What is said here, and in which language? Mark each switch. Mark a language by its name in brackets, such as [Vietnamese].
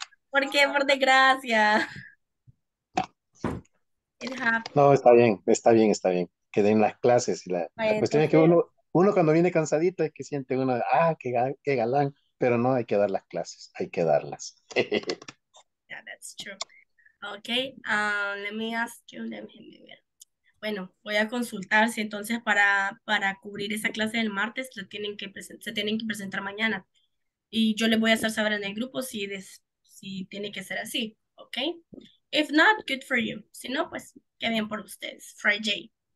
[Spanish] ¿Por qué? Por desgracia. No, está bien, está bien, está bien. Que den las clases. Y la cuestión es que uno cuando viene cansadito es que siente uno, ah, qué galán. Pero no, hay que dar las clases, hay que darlas. [English] Yeah, that's true. Okay, let me ask you, let me ver. [Spanish] Bueno, voy a consultar si entonces para cubrir esa clase del martes se tienen que presentar mañana. Y yo les voy a hacer saber en el grupo si y tiene que ser así, ¿ok? [English] If not, good for you. [Spanish] Si no, pues, qué bien por ustedes. Friday.